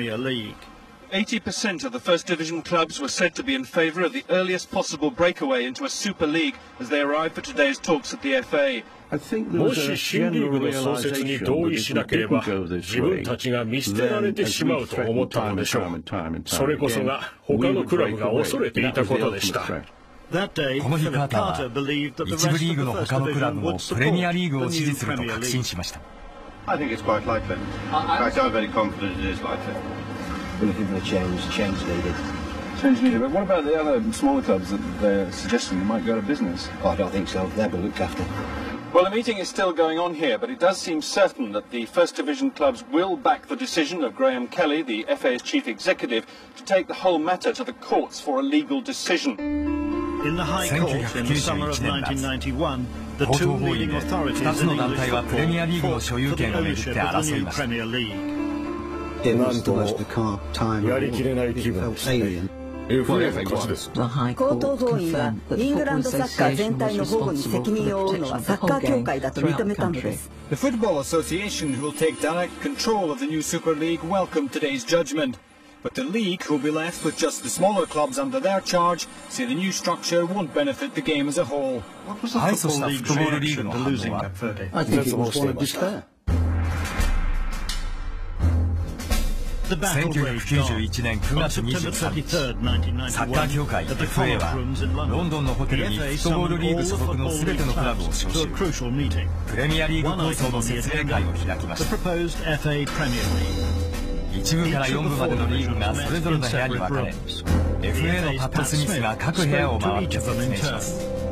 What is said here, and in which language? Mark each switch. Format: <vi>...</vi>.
<en>80% of the first division clubs were said to be in favor of the earliest possible breakaway into a super league as they arrived for today's talks at the FA.</en> <ja>もし新リーグの創設に同意しなければ自分たちが見捨てられてしまうと思ったのでしょう。それこそが他のクラブが恐れていたことでした。この日カーターは一部リーグの他のクラブもプレミアリーグを支持すると確信しました。</ja> <en>Well, the meeting is still going on here, but it does seem certain that the First Division clubs will back the decision of Graham Kelly, the FA's chief executive, to take the whole matter to the courts for a legal decision. In the High Court in the summer of 1991, the two leading authorities in English football fought for the ownership of the new Premier League. It was the worst of time ever. It felt alien.</en> <ja>FA 高等法院はイングランドサッカー全体の保護に責任を負うのはサッカー協会だと認めたのです。</ja> <en>The Football Association, who will take direct control of the new Super League, welcomed today's judgment. But the league, who will be left with just the smaller clubs under their charge, say the new structure won't benefit the game as a whole. What was the Football League's reaction to losing that verdict? I think it was one of despair.</en> <ja>1991年9月23日、サッカー協会 FA はロンドンのホテルにフットボールリーグ所属のすべてのクラブを招集、プレミアリーグ構想の説明会を開きました。 1部から4部までのリーグがそれぞれの部屋に分かれ、FA のパット・スミスが各部屋を回って説明します。</ja>